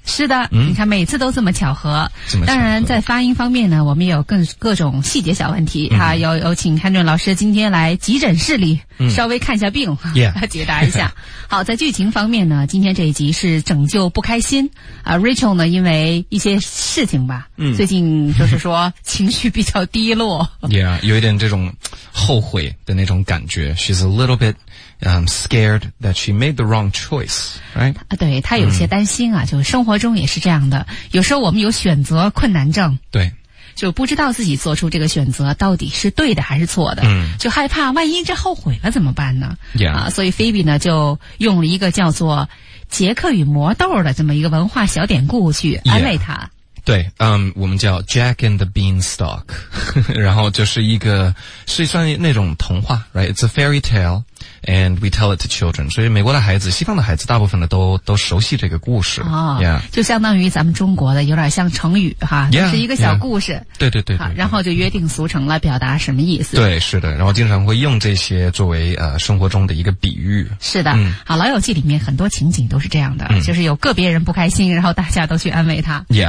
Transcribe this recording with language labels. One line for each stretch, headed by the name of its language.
Chinese: 是的，你看每次都这么巧合。当然在发音方面呢，我们也有各种细节小问题哈，有请韩顿老师今天来急诊室里稍微看一下病，解答一下。好，在剧情方面呢，今天这一集是拯救不开心啊 ，Rachel 呢因为一些事情吧，最近就是说情绪比较低落，Yeah， 有一点这种后悔的那种感觉 ，
English: She's a little bit。 Scared that she made the wrong choice, right?
Chinese: 对，她有些担心啊，就生活中也是这样的。有时候我们有选择困难症，对，就不知道自己做出这个选择到底是对的还是错的，就害怕万一这后悔了怎么办呢？
English: Yeah.
Chinese: 啊，所以菲比呢就用了一个叫做《杰克与魔豆》的这么一个文化小典故去安慰他。 Yeah. 对，我们叫 Jack and the Beanstalk， 然后就是一个是算那种童话 ，right?
English: It's a fairy tale, and we tell it to children。
Chinese: 所以美国的孩子、西方的孩子，大部分的都熟悉这个故事啊、就相当于咱们中国的，有点像成语哈，是一个小故事。对，然后就约定俗成了，表达什么意思？对，是的，然后经常会用这些作为生活中的一个比喻。是的，好，老友记里面很多情景都是这样的，就是有个别人不开心，然后大家都去安慰他。